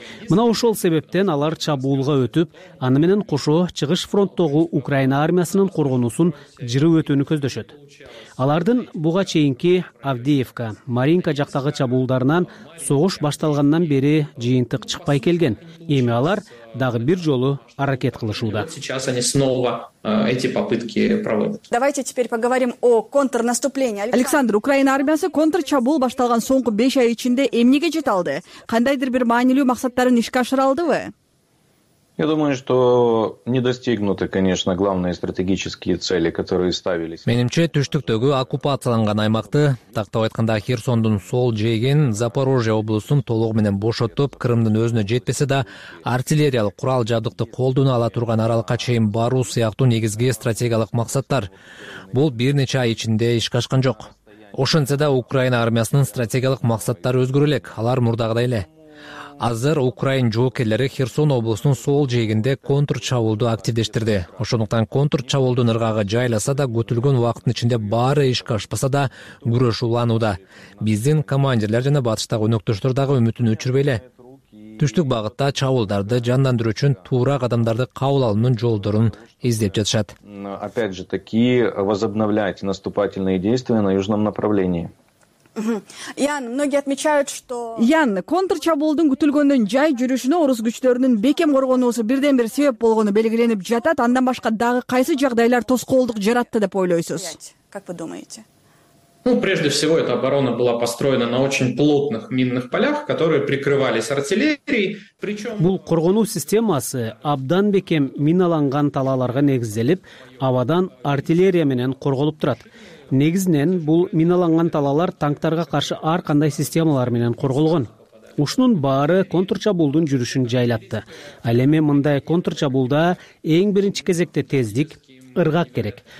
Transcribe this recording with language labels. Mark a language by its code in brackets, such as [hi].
[ky] Мына ошол себептен алар чабуулга өтүп, аны менен кошо чыгыш фронттогу Украина армиясынын коргоонусун жырып өтүүнү көздөшөт. Алардын буга чейинки Авдеевка, Маринка жактагы чабуулдарынан согуш башталгандан бери жыйынтык чыкпай келген. Эми алар дагы бир жолу аракет кылышууда. [ru] Сейчас они снова эти попытки проводят. Давайте теперь поговорим о контрнаступлении. [ky] Александр, Украина армиясы контрчабуул башталган соңку 5 ай ичинде эмнеге жете алды? Кандайдыр бир маанилүү максаттарын ишке ашыра алдыбы? [ru] Я думаю, что не достигнуты, конечно, главные стратегические цели, которые ставились. [ky] Менимче, түштүктөгү оккупацияланган аймакты, тактап айтканда Херсондун сол жээгин Запорожье облусун толук менен бошотуп, Кырымдын өзүнө жетпесе да, артиллериялык курал жабдыкты колдоно ала турган аралыкка чейин баруу сыяктуу негизги стратегиялык максаттар. Бул бир нече ай ичинде ишке ашкан жок. Ошентсе да, Украина армиясынын стратегиялык максаттары өзгөрө элек, алар мурдагыдай эле. Азыр Украин жоокерлери Херсон облусунун сол жээгинде контрчабуулду активдештирди. Ошондуктан контрчабуулдун ыргагы жайласа да, күтүлгөн убакыттын ичинде баары ишке ашпаса да, күрөш уланууда. Биздин командирлер жана батыштагы өнөктөштөр дагы үмүтүн өчүрбөй эле. Түштүк багытта чабуулдарды жандандыруу үчүн туура кадамдарды кабыл алуунун жолдорун издеп жатышат. [ru] Опять же таки возобновлять наступательные действия на южном направлении. Ян, многие отмечают, что [ky] Ян, контрчабуулдун күтүлгөндөн жай жүрүшүнө орус күчтөрүнүн бекем коргоонусу бирден бир себеп болгону белгиленип жатат. Андан башка дагы кайсы жагдайлар тоскоолдук жаратты деп ойлойсуз? [ru] Как вы думаете? Ну, прежде всего, эта оборона была построена на очень плотных минных полях, которые прикрывались артиллерией, причём [ky] бул коргоонуу системасы абдан бекем миналанган талааларга негизделип, абадан артиллерия менен корголуп турат. Негизинен бул миналанган талаалар танктарга каршы ар кандай системалар менен корголгон. Ушунун баары контрчабуулдун жүрүшүн жайлатты. Ал эми мындай контрчабуулда эң биринчи кезекте тездик, ыргак керек.